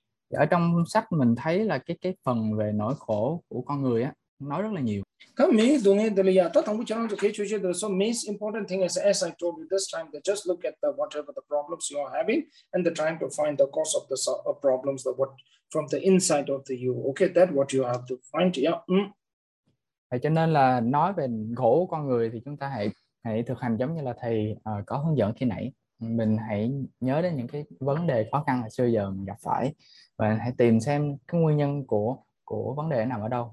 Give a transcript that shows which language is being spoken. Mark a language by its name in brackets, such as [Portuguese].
[Vietnamese] Ở trong sách mình thấy là cái phần về nỗi khổ của con người á nói rất là nhiều. [English] So most important thing is as I told you this time that just look at the whatever the problems you are having and the trying to find the cause of the problems that what from the inside of the you. Okay, that what you have to find. Yeah. [Vietnamese] Vậy cho nên là nói về khổ của con người thì chúng ta hãy thực hành giống như là thầy có hướng dẫn khi nãy. Mình hãy nhớ đến những cái vấn đề khó khăn mà xưa giờ mình gặp phải và hãy tìm xem cái nguyên nhân của vấn đề nằm ở đâu.